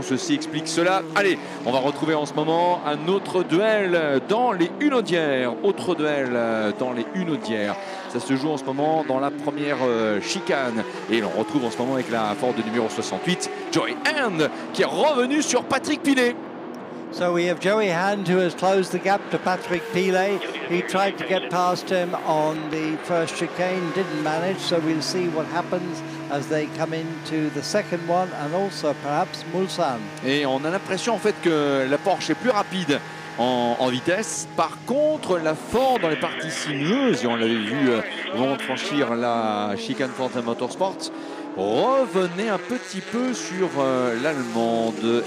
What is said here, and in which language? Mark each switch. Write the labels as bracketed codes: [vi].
[fr] Ceci explique cela. Allez, on va retrouver en ce moment un autre duel dans les Hunaudières. Autre duel dans les Hunaudières. Ça se joue en ce moment dans la première chicane. Et on retrouve en ce moment avec la Ford numéro 68, Joey Hand, qui est revenu sur Patrick Pilet. [en] So we have Joey Hand, who has closed the gap to Patrick Pillet. He tried to get past him on the first chicane, didn't manage, so we'll see what happens as they come into the second one, and also perhaps Mulsanne. [fr] Et on a l'impression en fait que la Porsche est plus rapide en vitesse. Par contre, la Ford dans les parties sinueuses, et on l'avait vu avant de franchir la chicane Ford Motorsports, revenez un petit peu sur l'Allemande.